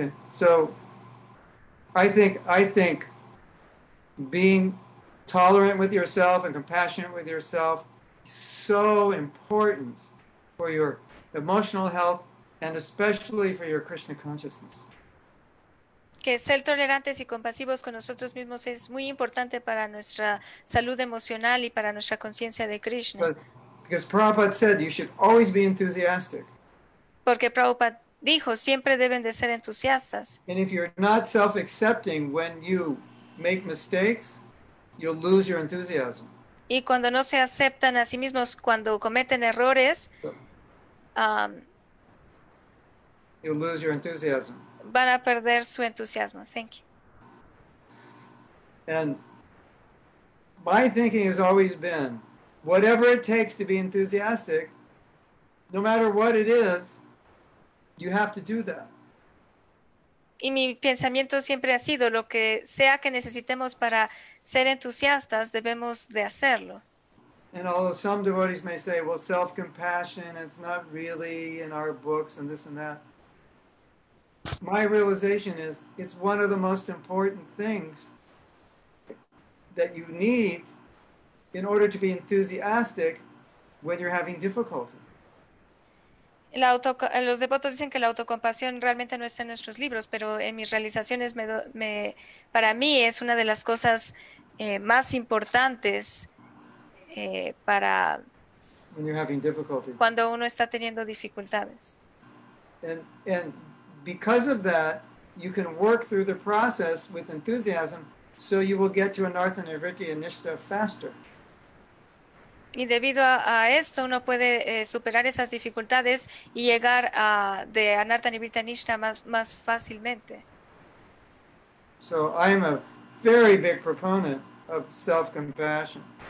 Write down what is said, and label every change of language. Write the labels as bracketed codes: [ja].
[en] So I think being tolerant with yourself and compassionate with yourself is so important for your emotional health and especially for your Krishna consciousness. [es] Que ser tolerantes y compasivos con nosotros mismos es muy importante para nuestra salud emocional y para nuestra conciencia de Krishna. [en] Because Prabhupada said you should always be enthusiastic. [es] Porque Prabhupada dijo, siempre deben de ser entusiastas. [en] And if you're not self-accepting when you make mistakes, you'll lose your enthusiasm. [es] Y cuando no se aceptan a sí mismos cuando cometen errores, [en] you'll lose your enthusiasm. [es] Van a perder su entusiasmo. [en] Thank you. And my thinking has always been, whatever it takes to be enthusiastic, no matter what it is, you have to do that. [es] Y mi pensamiento siempre ha sido, lo que sea que necesitemos para ser entusiastas, debemos de hacerlo. [en] And although some devotees may say, well, self-compassion, it's not really in our books and this and that. My realization is, it's one of the most important things that you need in order to be enthusiastic when you're having difficulty. [es] Los devotos dicen que la autocompasión realmente no está en nuestros libros, pero en mis realizaciones para mí es una de las cosas más importantes para [en] when you're having difficulty. [es] Cuando uno está teniendo dificultades. [en] And because of that, you can work through the process with enthusiasm, so you will get to anartha nirvritti anishta faster. [es] Y debido a esto, uno puede superar esas dificultades y llegar a de anartha nirvritti anishta más fácilmente. [en] So I'm a very big proponent of self-compassion.